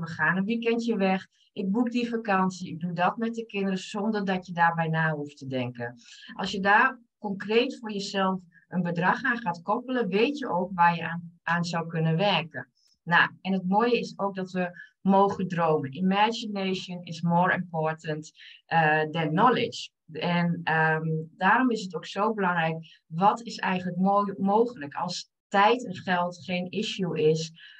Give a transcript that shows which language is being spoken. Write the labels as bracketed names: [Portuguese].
[Dutch] We gaan een weekendje weg. Ik boek die vakantie. Ik doe dat met de kinderen zonder dat je daarbij na hoeft te denken. Als je daar concreet voor jezelf een bedrag aan gaat koppelen, weet je ook waar je aan zou kunnen werken. Nou, en het mooie is ook dat we mogen dromen. [English] Imagination is more important than knowledge. [Dutch] En daarom is het ook zo belangrijk. Wat is eigenlijk mogelijk als tijd en geld geen issue is?